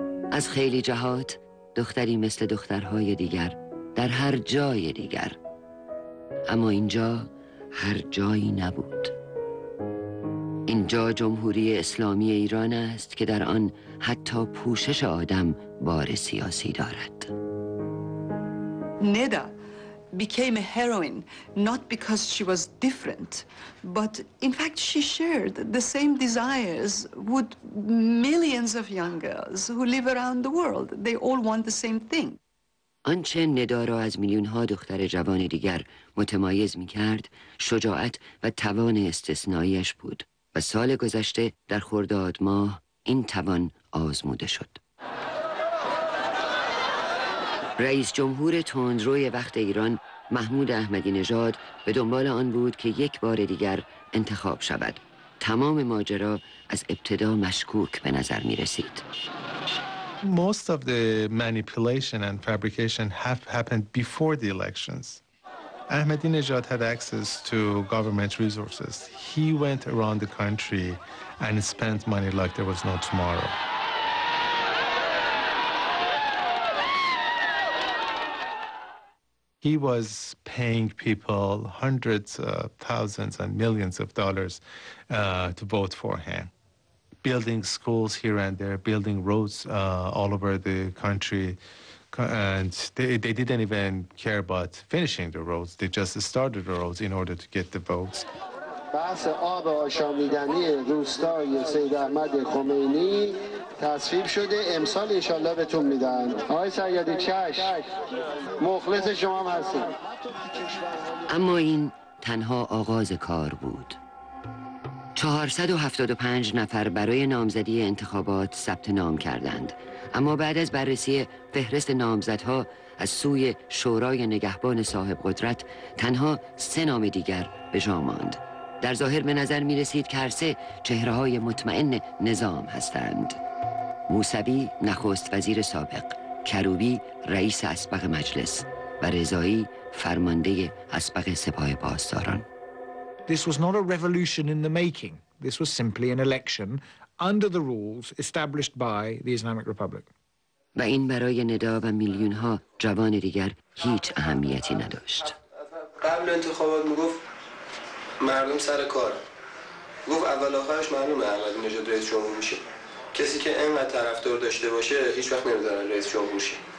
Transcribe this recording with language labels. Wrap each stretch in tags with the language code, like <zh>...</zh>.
<fa>از خیلی جهات دختری مثل دخترهای دیگر در هر جای دیگر، اما اینجا هر جایی نبود. اینجا جمهوری اسلامی ایران است که در آن حتی پوشش آدم بار سیاسی دارد.</fa> <en>ندا became a heroine not because she was different, but in fact she shared the same desires with millions of young girls who live around the world. They all want the same thing.</en> <fa>آنچه ندا را از میلیون ها دختر جوان دیگر متمایز می کرد، شجاعت و توان استثنائیش بود. و سال گذشته در خرداد ماه این توان آزموده شد. رئیس جمهور تندروی وقت ایران محمود احمدی نژاد به دنبال آن بود که یک بار دیگر انتخاب شود. تمام ماجرا از ابتدا مشکوک به نظر می رسید.</fa> <en>Most of the manipulation and fabrication have happened before the elections. Ahmadinejad had access to government resources. He went around the country and spent money like there was no tomorrow. He was paying people hundreds of thousands and millions of dollars to vote for him. Building schools here and there, building roads all over the country. And they didn't even care about finishing the roads. They just started the roads in order to get the votes.</en> <fa>بحث آب آشامیدنی روستای سید احمد خمینی تصویب شده امسال انشالله بهتون میدن. آقای سیادی چش مخلص شما هم هستم. اما این تنها آغاز کار بود. 475 نفر برای نامزدی انتخابات ثبت نام کردند، اما بعد از بررسی فهرست نامزدها از سوی شورای نگهبان صاحب قدرت تنها 3 نام دیگر به جا ماند. در ظاهر به نظر می رسید که هر 3 چهره های مطمئن نظام هستند: موسوی نخست وزیر سابق، کروبی رئیس اسبق مجلس و رضایی فرمانده اسبق سپاه پاسداران.</fa> <en>This was not a revolution in the making. This was simply an election under the rules established by the Islamic Republic.</en> <fa>و این برای ندا و میلیون ها جوان دیگر هیچ اهمیتی نداشت. قبل انتخابات میگفت مردم سر کار. گفت اول آخرش معلومه احمدی نژاد رئیس جمهور میشه. کسی که اینقدر طرفدار داشته باشه هیچ وقت نمیذاره رئیس جمهور شه.</fa>